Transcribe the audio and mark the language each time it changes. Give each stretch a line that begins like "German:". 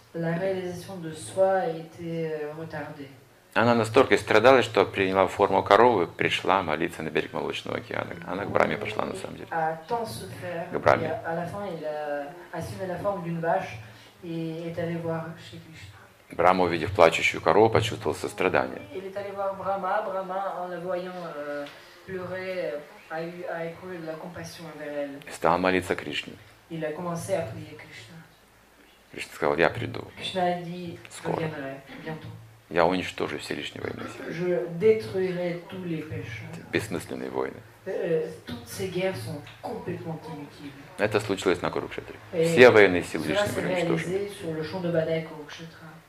French: La réalisation de soi était retardée.
Russian: Она настолько страдала, что приняла форму коровы, пришла молиться на берег Молочного океана. Она к Браме пошла на самом деле.
French: A tant souffert.
Russian: К Браме.
French: Et à la fin, elle a assumé la forme d'une vache et est allée voir Shri Krishna.
Russian: Брама, увидев плачущую корову, почувствовал сострадание.
French: Il est allé voir Brahma. Brahma, en la voyant pleurer, a éprouvé de la compassion envers elle.
Russian: Et стала молиться Кришне.
French: Il a commencé à prier Krishna.
Russian: Кришна сказал, я приду.
French: Кришна a dit,
Russian: скоро.
French: Je viendrai, bientôt.
Russian: Я уничтожу все лишние войны.
French: Je détruirai tous les pêcheurs.
Russian: Бессмысленные войны.
French: Toutes ces guerres sont complètement inutiles.
Russian: Это случилось на Курукшетре. Все военные силы лишние были уничтожены.
French: Cela s'est réalisé sur le champ de bataille Курукшетра.